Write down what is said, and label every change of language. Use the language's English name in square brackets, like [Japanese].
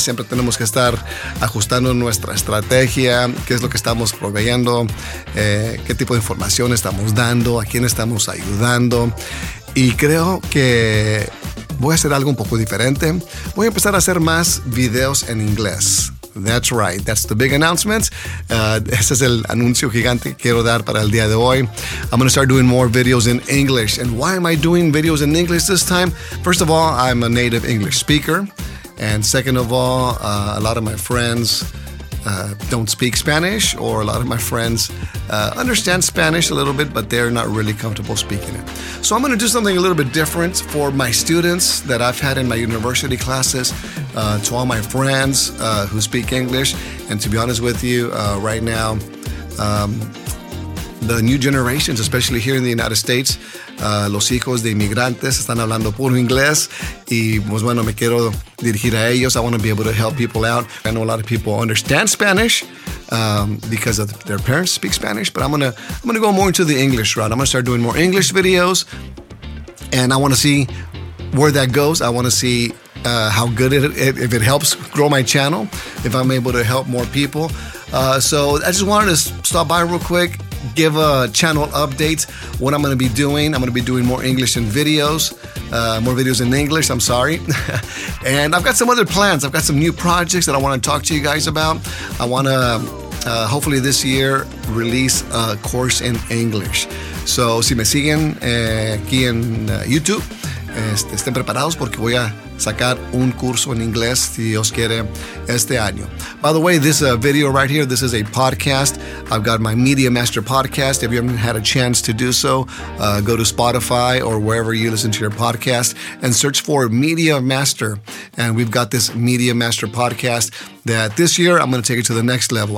[Spanish] Siempre tenemos que estar ajustando nuestra estrategia, qué es lo que estamos proveyendo, qué tipo de información estamos dando, a quién estamos ayudando. Y creo que voy a hacer algo un poco diferente. Voy a empezar a hacer más videos en inglés. [English] That's right. That's the big announcement. [Spanish] Ese es el anuncio gigante que quiero dar para el día de hoy. [English] I'm going to start doing more videos in English. And why am I doing videos in English this time? First of all, I'm a native English speaker. And second of all, a lot of my friends don't speak Spanish, or a lot of my friends understand Spanish a little bit, but they're not really comfortable speaking it. So I'm going to do something a little bit different for my students that I've had in my university classes, to all my friends who speak English. And to be honest with you, right now, the new generations, especially here in the United States, [Spanish] los hijos de inmigrantes están hablando puro inglés. Y pues bueno, me quiero dirigir a ellos. [English] I want to be able to help people out. I know a lot of people understand Spanish because of their parents speak Spanish. But I'm gonna go more into the English route. I'm gonna start doing more English videos, and I want to see where that goes. I want to see how good it if it helps grow my channel. If I'm able to help more people. So I just wanted to stop by real quick, give a channel update, what I'm going to be doing. I'm going to be doing more English in videos, more videos in English, I'm sorry. And I've got some other plans. I've got some new projects that I want to talk to you guys about. I want to hopefully this year release a course in English. So [Spanish] si me siguen aquí en YouTube, estén preparados porque voy a sacar un curso en inglés, si Dios quiere, este año. [English] By the way, this video right here, this is a podcast. I've got my Media Master podcast. If you haven't had a chance to do so, go to Spotify or wherever you listen to your podcast and search for Media Master. And we've got this Media Master podcast that this year I'm going to take it to the next level.